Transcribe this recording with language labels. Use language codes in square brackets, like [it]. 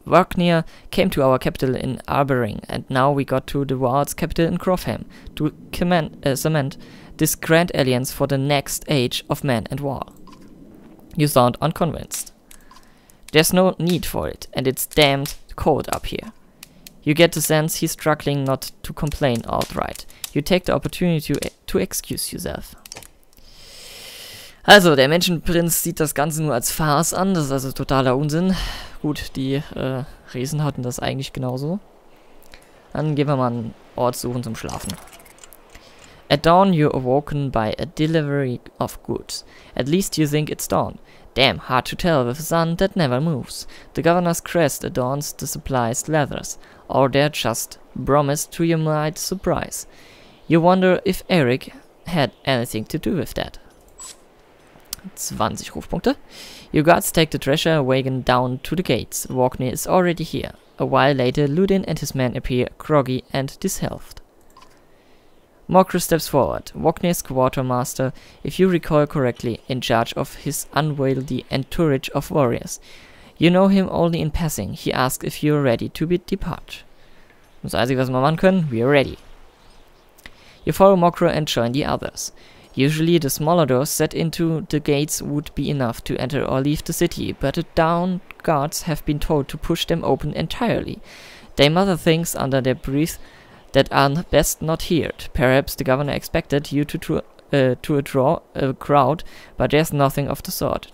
[en] Wagner came to our capital in Arbering, and now we got to the world's capital in Grofheim to cement this grand alliance for the next age of man and war. You sound unconvinced. There's no need for it, and it's damned cold up here. You get the sense he's struggling not to complain outright. You take the opportunity to excuse yourself. [de] Also, der Menschenprinz sieht das Ganze nur als Farce an, das ist also totaler Unsinn. Gut, die Riesen hatten das eigentlich genauso. Dann gehen wir mal einen Ort suchen zum Schlafen. [en] At dawn you're awoken by a delivery of goods. At least you think it's dawn. Damn, hard to tell with a sun that never moves. The governor's crest adorns the supplies leathers, or they're just promised to your mild surprise. You wonder if Eric had anything to do with that. 20 Rufpunkte. Your guards take the treasure wagon down to the gates. Wagner is already here. A while later, Ludin and his men appear groggy and disheveled. Mokra steps forward. Wagner's quartermaster, if you recall correctly, in charge of his unwieldy entourage of warriors. You know him only in passing. He asks if you're ready to be depart. [de] Das Einzige, was wir machen können, [en] we are ready. You follow Mokra and join the others. Usually, the smaller doors set into the gates would be enough to enter or leave the city, but the down guards have been told to push them open entirely. They mutter things under their breath that are best not heard. Perhaps the governor expected you to draw a crowd, but there's nothing of the sort.